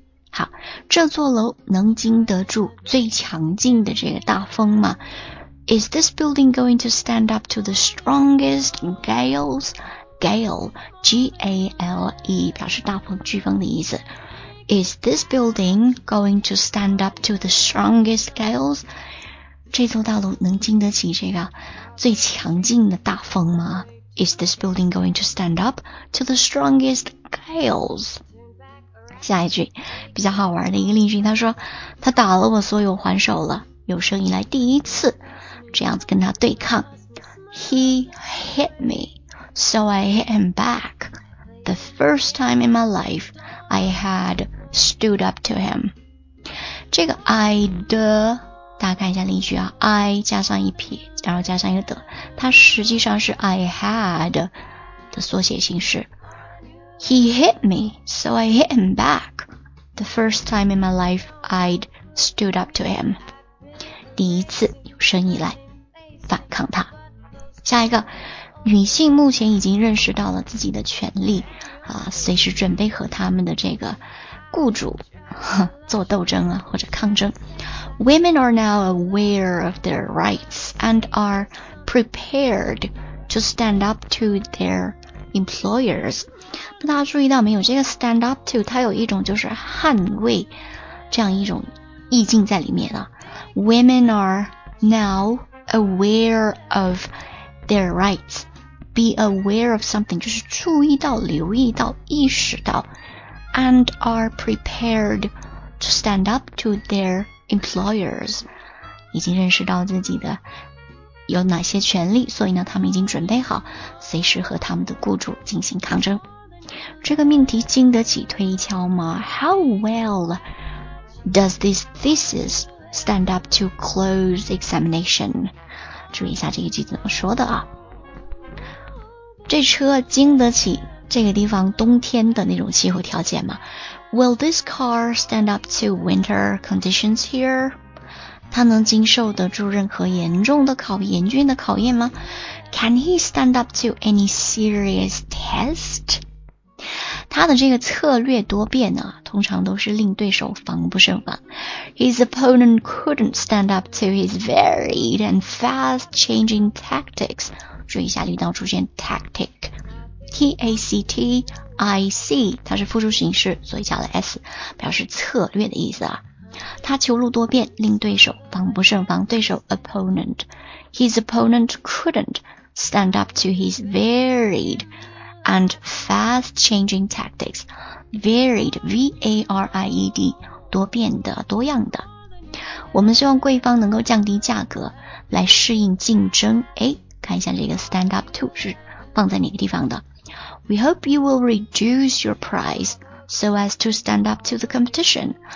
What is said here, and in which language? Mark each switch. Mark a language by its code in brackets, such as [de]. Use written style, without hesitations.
[zh] 好，这座楼能经得住最强劲的这个大风吗？ [en] Is this building going to stand up to the strongest gales? [zh] Gale, G-A-L-E, 表示大风、飓风的意思。 [en] Is this building going to stand up to the strongest gales? [zh] 这座大楼能经得起这个最强劲的大风吗？ [en] Is this building going to stand up to the strongest gales? [zh] 下一句，比较好玩的一个例句，他说，他打了我所有还手了，有生以来第一次。这样子跟他对抗， [en] He hit me, so I hit him back. The first time in my life I had stood up to him. [zh] 这个 I 的，大家看一下例句啊， I 加上一撇，然后加上一个的，它实际上是 [en] I had [zh] 的缩写形式。 [en] He hit me, so I hit him back. The first time in my life I'd stood up to him. [zh] 第一次生以来反抗他。下一个，女性目前已经认识到了自己的权利啊，随时准备和他们的这个雇主做斗争啊，或者抗争。 [en] Women are now aware of their rights and are prepared to stand up to their employers。 [zh] 大家注意到没有，这个 stand up to 它有一种就是捍卫这样一种意境在里面的。 [en] Women areNow aware of their rights. Be aware of something [zh] 就是注意到、留意到、意识到。 [en] And are prepared to stand up to their employers. [zh] 已经认识到自己的有哪些权利，所以呢，他们已经准备好随时和他们的雇主进行抗争。这个命题经得起推敲吗？ [en] How well does this thesisstand up to close examination. [zh] 注意一下这个句子怎么说的啊。这车经得起这个地方冬天的那种气候条件吗？ [en] Will this car stand up to winter conditions here? [zh] 它能经受得住任何严重的考严峻的考验吗？ [en] Can he stand up to any serious test? [zh] 他的这个策略多变呢，通常都是令对手防不胜防。 [en] His opponent couldn't stand up to his varied and fast changing tactics. [zh] 注意一下绿道出现 tactic. T-A-C-T-I-C, 它是复数形式，所以加了 S, 表示策略的意思啊。他球路多变，令对手防不胜防，对手 opponent. [en] His opponent couldn't stand up to his variedand fast changing tactics. [zh] Varied, V-A-R-I-E-D, 多变的、多样的。我们希望贵方能够降低价格来适应竞争。诶，看一下这个 stand up to 是放在哪个地方的。 [en] We hope you will reduce your price so as to stand up to the competition.